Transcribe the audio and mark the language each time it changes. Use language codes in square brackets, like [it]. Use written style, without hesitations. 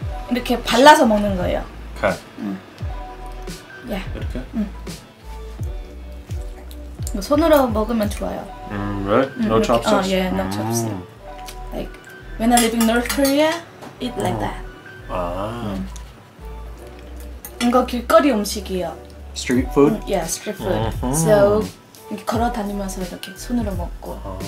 [ko] 이렇게 발라서 먹는 거예요. [en] Okay. Yeah. [ko] 이렇게? 뭐 손으로 먹으면 좋아요. [en] Really? No chopsticks? Oh, yeah, no chopsticks. Like, when I live in North Korea, eat like that. [ko] 아. 이거 길거리 음식이에요. [en] Street food? Yeah, street food. [ko] So, 이렇게 걸어 다니면서 이렇게 손으로 먹고.